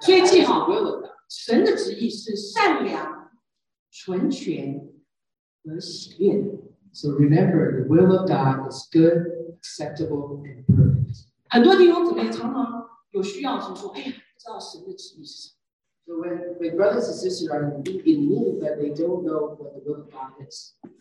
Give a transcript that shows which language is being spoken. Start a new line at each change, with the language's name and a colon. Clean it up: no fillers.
Chinese: 所以记好，神的旨意是善良、纯全和喜悦。
English: So remember, the will of God is good, acceptable, and perfect.
Chinese: 很多弟兄姊妹常常有需要时说，哎呀，不知道神的旨意是什么。
English: So when brothers and sisters are in need, but they don't know what the will of God is,